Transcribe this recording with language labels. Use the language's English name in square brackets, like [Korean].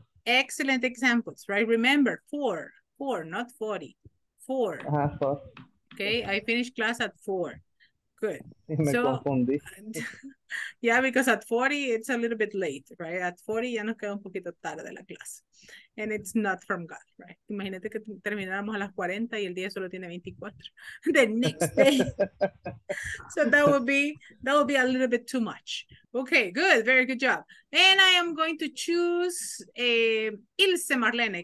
[English] Excellent examples, right? Remember, 4, not 40. 4. Uh-huh, 4. Okay, I finish class at 4. Good. So, yeah, because at 40, it's a little bit late, right? At 40, [Spanish] ya nos queda un poquito tarde la clase. [English] And it's not from God, right? [Spanish] Imagínate que termináramos a las 40 y el día solo tiene 24. [English] The next day. So that would be a little bit too much. Okay, good. Very good job. And I am going to choose Ilse Marlene.